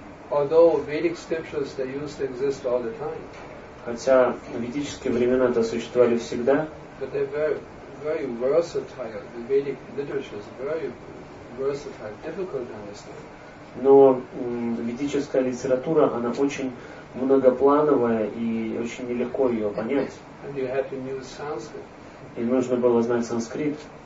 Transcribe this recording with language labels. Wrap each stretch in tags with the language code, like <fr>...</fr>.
<en>Although Vedic scriptures they used to exist all the time.</en> <ru>Хотя ведические времена это существовали всегда.</ru> <en>But they're very versatile. The Vedic literature is very versatile, difficult to understand.</en> <ru>Но ведическая литература, она очень многоплановая и очень нелегко ее понять.</ru> <en>And you have to use Sanskrit.</en> <ru>И нужно было знать санскрит.</ru>